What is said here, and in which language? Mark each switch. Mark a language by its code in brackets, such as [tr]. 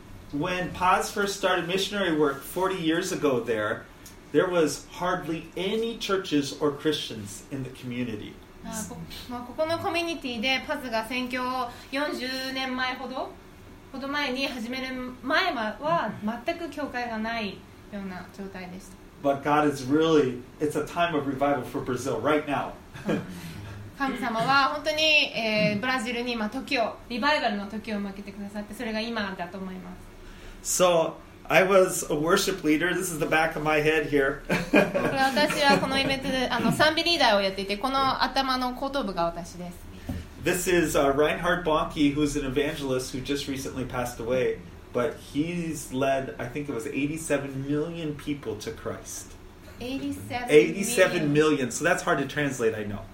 [en] When Paz first started missionary work 40 years ago there was hardly any churches or Christians in the community. [ja] ここのコミュニティでパズが宣教を40年前ほど前に始める前は全く教会がないような状態でした。 [en] But God is really, it's a time of revival for Brazil right now. [ja] 神様は本当に、ブラジルに今時をリバイバルの時を向けてくださって、それが今だと思います。 [en] So I was a worship leader. This is the back of my head here. [ja] 私はこのイベントで賛美リーダーをやっていて、この頭の後頭部が私です。 [en] This is Reinhard Bonnke, who's an evangelist who just recently passed away. But he's led, I think it was 87 million people to Christ. 87 million. So that's hard to translate, I know.